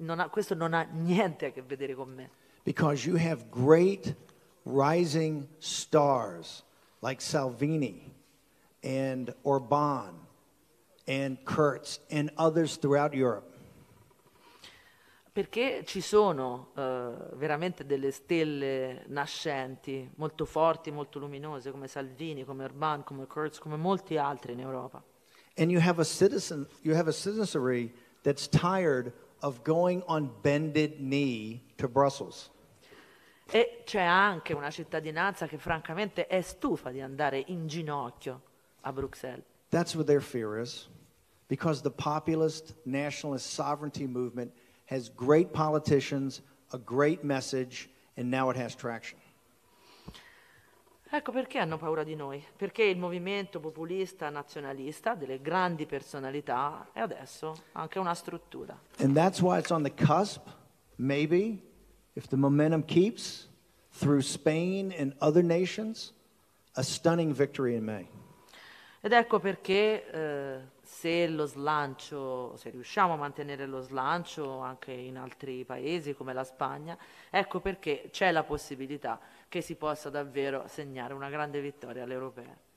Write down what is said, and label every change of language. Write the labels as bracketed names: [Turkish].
[Italian] Questo non ha niente a che vedere con me. [English] Because you have great rising stars like Salvini and Orban and Kurz and others throughout Europe. [Italian] Perché ci sono veramente delle stelle nascenti molto forti, molto luminose come Salvini, come Orban, come Kurz, come molti altri in Europa. [English] and you have a citizen, you have a citizenry that's tired of going on bended knee to Brussels. [Italian] E c'è anche una cittadinanza che francamente è stufa di andare in ginocchio a Bruxelles. [English] That's what their fear is, because the populist nationalist sovereignty movement has great politicians, a great message, and now it has traction. [Italian] Ecco perché hanno paura di noi, perché il movimento populista nazionalista delle grandi personalità è adesso anche una struttura. [English] And that's why it's on the cusp, maybe, if the momentum keeps through Spain and other nations, a stunning victory in May. [Italian] Ed ecco perché se lo slancio, se riusciamo a mantenere lo slancio anche in altri paesi come la Spagna, ecco perché c'è la possibilità che si possa davvero segnare una grande vittoria all'Europea.